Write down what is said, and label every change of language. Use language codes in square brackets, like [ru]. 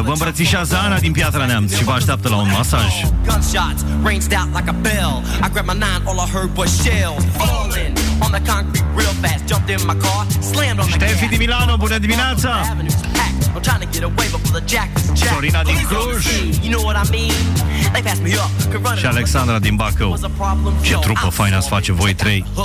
[ro] Vă îmbrățișează Ana din Piatra Neamț și vă așteaptă la un masaj. [en] Gunshots ranged out like a bell. I grabbed my nine, all I heard was shells falling on the concrete real fast. Jumped in my car, slammed on the gas. [ro] Ștefi din Milano, bună dimineața. [en] I'm trying to get away before the jack is jacked. Florina din Cluj. You know what I mean? They passed me up. Could run. [ro] Și Alexandra din Bacău. Ce trupă faină ați face voi trei.